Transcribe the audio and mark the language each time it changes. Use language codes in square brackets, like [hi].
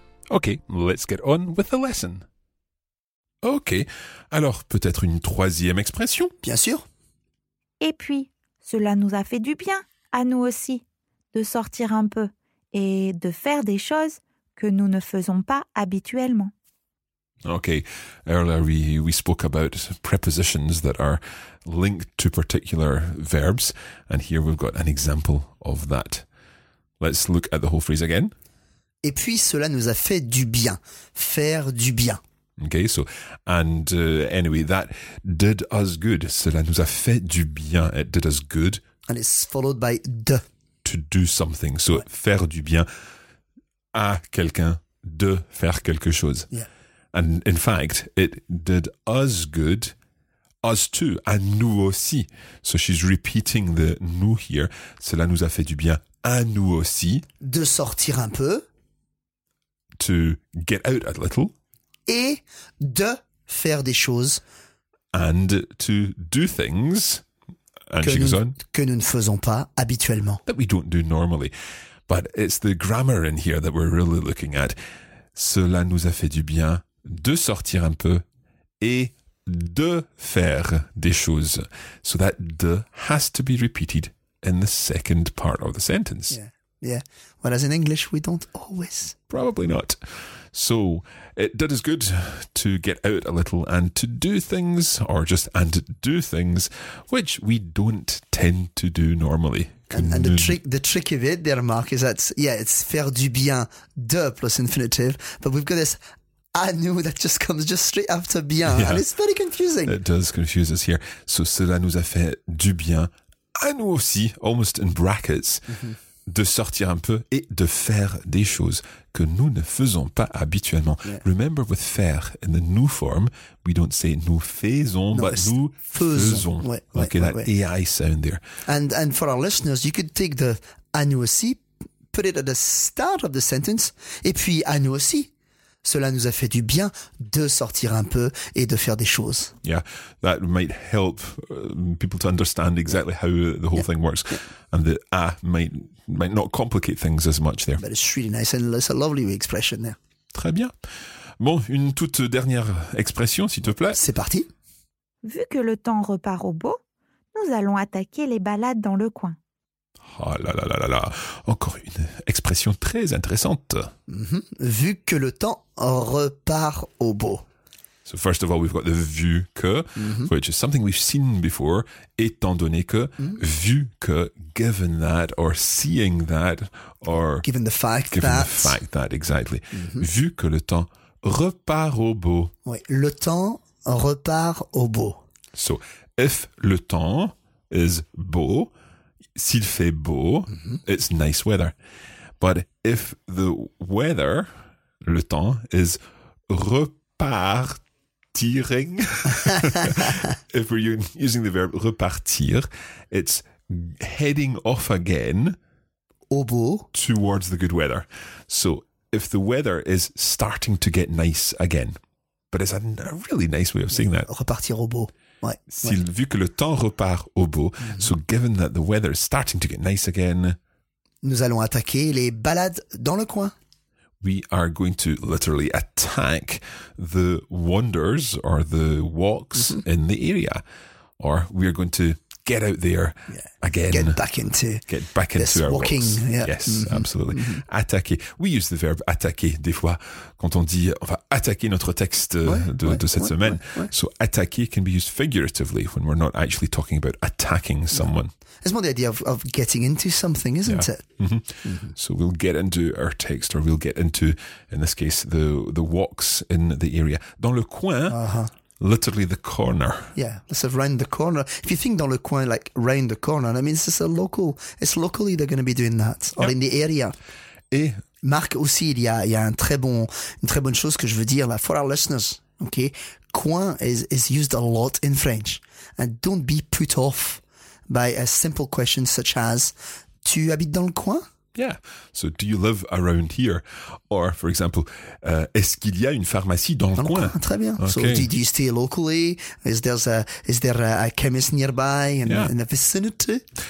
[en] Okay, let's get on with the lesson. [fr] Okay, alors peut-être une troisième expression? Bien sûr. Et puis, cela nous a fait du bien, à nous aussi, de sortir un peu et de faire des choses que nous ne faisons pas habituellement. [en] Okay, earlier we spoke about prepositions that are linked to particular verbs, and here we've got an example of that. Let's look at the whole phrase again. [fr] Et puis cela nous a fait du bien. Faire du bien. [en] Okay, so, and anyway, that did us good. [fr] Cela nous a fait du bien. [en] It did us good. And it's followed by de. To do something. So, ouais. [fr] Faire du bien à quelqu'un, de faire quelque chose. [en] Yeah. And in fact, it did us good, us too, [fr] à nous aussi. [en] So she's repeating the nous here. [fr] Cela nous a fait du bien à nous aussi. De sortir un peu. [en] To get out a little. [fr] Et de faire des choses. [en] And to do things. And she goes on. [fr] Que nous ne faisons pas habituellement. [en] That we don't do normally. But it's the grammar in here that we're really looking at. [fr] Cela nous a fait du bien de sortir un peu et de faire des choses. [en] So that de has to be repeated in the second part of the sentence. Yeah. Yeah, whereas in English, we don't always. Probably not. So that is good to get out a little and to do things, or just and do things, which we don't tend to do normally. And the trick of it there, Mark, is that, yeah, it's [fr] faire du bien, [en] de plus infinitive, but we've got this à nous that just comes just straight after bien, yeah. And it's very confusing. It does confuse us here. [fr] So cela nous a fait du bien, à nous aussi, [en] almost in brackets, [fr] de sortir un peu et de faire des choses que nous ne faisons pas habituellement. Yeah. [en] Remember, with faire in the nous form, we don't say nous faisons, but nous faisons. AI sound there. And for our listeners, you could take the à nous aussi, put it at the start of the sentence, [fr] et puis à nous aussi. Cela nous a fait du bien de sortir un peu et de faire des choses. [en] Yeah, that might help people to understand exactly how the whole thing works. Yeah. And the might not complicate things as much there. But it's really nice and it's a lovely expression there. [fr] Très bien. Bon, une toute dernière expression, s'il te plaît. C'est parti. Vu que le temps repart au beau, nous allons attaquer les balades dans le coin. Oh là là là là là, encore une expression très intéressante. Mm-hmm. Vu que le temps repart au beau. [en] So first of all, we've got the vu que, which is something we've seen before, [fr] étant donné que, vu que, [en] given that, or seeing that, or... Given the fact that, exactly. Mm-hmm. [fr] Vu que le temps repart au beau. Oui, le temps repart au beau. [en] So, if le temps is beau... [fr] S'il fait beau, [en] it's nice weather. But if the weather, le temps, is repartiring, if we're using the verb repartir, it's heading off again [fr] au beau [en] towards the good weather. So if the weather is starting to get nice again, but it's a really nice way of saying that. [fr] Repartir au beau. Vu que le temps repart au beau, [en] so given that the weather is starting to get nice again, [fr] nous allons attaquer les balades dans le coin. [en] We are going to literally attack the wanders or the walks in the area. Or we are going to get out there again. Get back into our walking. Walks. Yeah. Yes, absolutely. Mm-hmm. Attaquer. [fr] We use the verb attaquer des fois quand on dit on va attaquer notre texte semaine. Ouais. [en] So attaquer can be used figuratively when we're not actually talking about attacking someone. It's more the idea of getting into something, isn't it? Mm-hmm. Mm-hmm. So we'll get into our text, or we'll get into, in this case, the walks in the area. [fr] Dans le coin... [en] Literally the corner. Yeah, let's have round the corner. If you think [fr] dans le coin, [en] like round the corner, that means it's a local. It's locally they're going to be doing that, or in the area. [fr] Et Marc aussi, il y a une très bonne chose que je veux dire là [en] for our listeners. Okay, coin is used a lot in French, and don't be put off by a simple question such as [fr] "Tu habites dans le coin?" [en] Yeah. So do you live around here? Or for example, [fr] est-ce qu'il y a une pharmacie dans le coin? Très bien. [en] Okay. So do you stay locally? Is there a chemist nearby in the vicinity?